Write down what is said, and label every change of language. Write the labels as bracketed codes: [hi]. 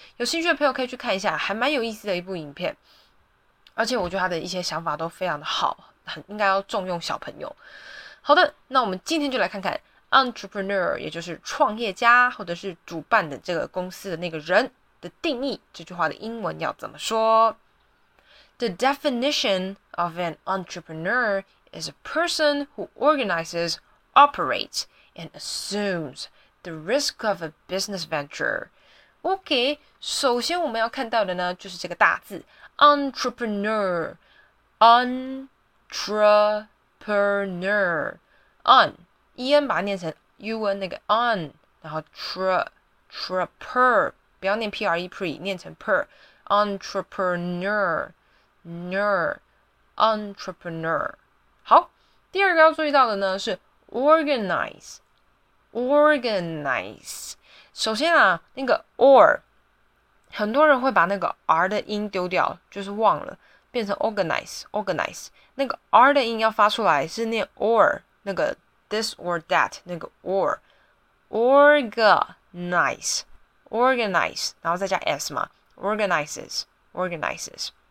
[zh] 有兴趣的朋友可以去看一下，还蛮有意思的一部影片，而且我觉得他的一些想法都非常的好，很应该要重用小朋友。好的，那我们今天就来看看 entrepreneur， 也就是创业家或者是主办的这个公司的那个人的定义，这句话的英文要怎么说？ [en] The definition of an entrepreneur is a person who organizes, operates, and assumes the risk of a business venture. [zh] OK， 首先我们要看到的呢，就是这个大字 entrepreneur， entrepreneur， on， en 把它念成 un 那个 on， 然后 trepreneur。不要念 P-R-E pre， 念成 per entrepreneur ner entrepreneur。好，第二个要注意到的呢是 organize organize。首先啊，那个 or 很多人会把那个 R 的音丢掉，就是忘了，变成 organize organize。那个 R 的音要发出来，是念 or， 那个 [en] this or that [zh] 那个 or organizeorganize， 然后再加 s 嘛， organizes organizes。